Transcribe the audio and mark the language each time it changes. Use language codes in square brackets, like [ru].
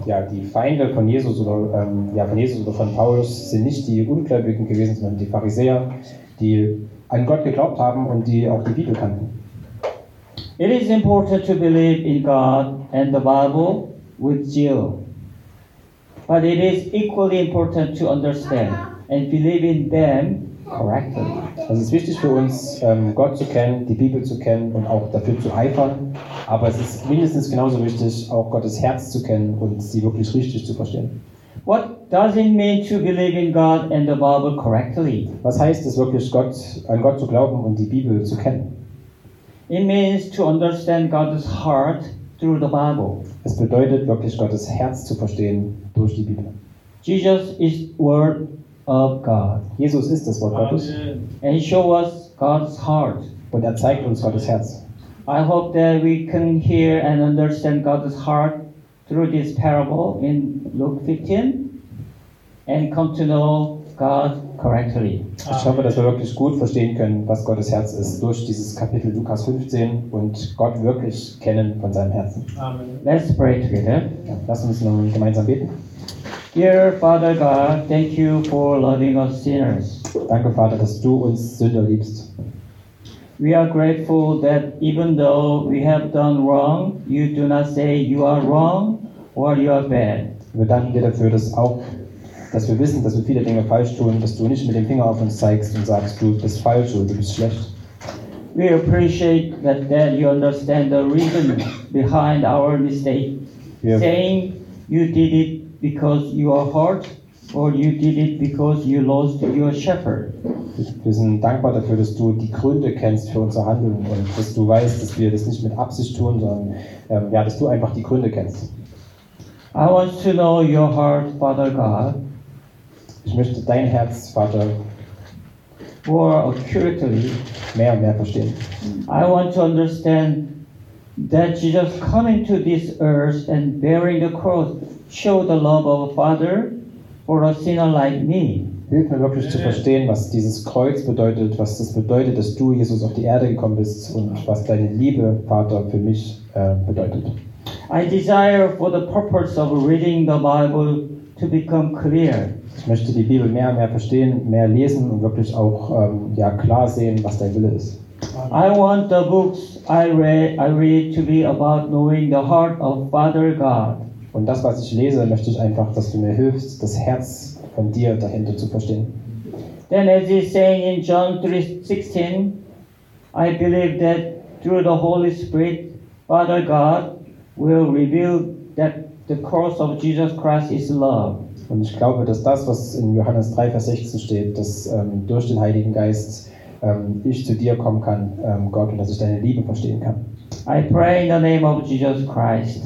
[de] Die Feinde von Jesus oder von Jesus oder von Paulus sind nicht die Ungläubigen gewesen, sondern die Pharisäer, die an Gott geglaubt haben und die auch die Bibel kannten. [en] It is important to believe in God and the Bible with zeal. But it is equally important to understand and believe in them correctly. [de] Es ist wichtig für uns, Gott zu kennen, die Bibel zu kennen und auch dafür zu eifern. Aber es ist mindestens genauso wichtig, auch Gottes Herz zu kennen und sie wirklich richtig zu verstehen. [en] What does it mean to believe in God and the Bible correctly? [de] Was heißt es wirklich, Gott, an Gott zu glauben und die Bibel zu kennen? [en] It means to understand God's heart through the Bible. [de] Es bedeutet wirklich, Gottes Herz zu verstehen durch die Bibel. [en] Jesus is Word of God. [de] Jesus ist das Wort Gottes. [en] And show us God's heart. [de] Und er zeigt uns Gottes Herz. [en] I hope that we can hear and understand God's heart through this parable in Luke 15 and come to know God correctly. [de] Ich hoffe, dass wir wirklich gut verstehen können, was Gottes Herz ist durch dieses Kapitel Lukas 15 und Gott wirklich kennen von seinem Herzen. [en] Amen. Let's pray together. [de] Ja, lass uns nun gemeinsam beten. [en] Dear Father God, thank you for loving us sinners. [de] Danke, Vater, dass du uns Sünder liebst. [en] We are grateful that even though we have done wrong, you do not say you are wrong or you are bad. [de] Wir danken dir dafür, dass auch dass wir wissen, dass wir viele Dinge falsch tun, dass du nicht mit dem Finger auf uns zeigst und sagst, du bist falsch oder du bist schlecht. [en] We appreciate that you understand the reason behind our mistake. Yeah. Saying you did it because you are hurt or you did it because you lost your shepherd. [de] Wir sind dankbar dafür, dass du die Gründe kennst für unser Handeln und dass du weißt, dass wir das nicht mit Absicht tun, sondern dass du einfach die Gründe kennst. [en] I want to know your heart, Father God. [de] Ich möchte dein Herz, Vater, [en] more accurately, [de] mehr und mehr verstehen. [en] I want to understand that Jesus coming to this earth and bearing the cross showed the love of a Father for a sinner like me. [de] Hilf mir wirklich zu verstehen, was dieses Kreuz bedeutet, was das bedeutet, dass du, Jesus, auf die Erde gekommen bist und was deine Liebe, Vater, für mich bedeutet. [en] I desire for the purpose of reading the Bible to become clear. [de] Ich möchte die Bibel mehr und mehr verstehen, mehr lesen und wirklich auch klar sehen, was dein Wille ist. [en] I want the books I read to be about knowing the heart of Father God. [de] Und das, was ich lese, möchte ich einfach, dass du mir hilfst, das Herz von dir dahinter zu verstehen. [en] Then as he's saying in John 3:16, I believe that through the Holy Spirit, Father God will reveal that the cross of Jesus Christ is love. [de] Und ich glaube, dass das, was in Johannes 3, Vers 16 steht, dass durch den Heiligen Geist ich zu dir kommen kann, Gott, und dass ich deine Liebe verstehen kann. [en] I pray in the name of Jesus Christ.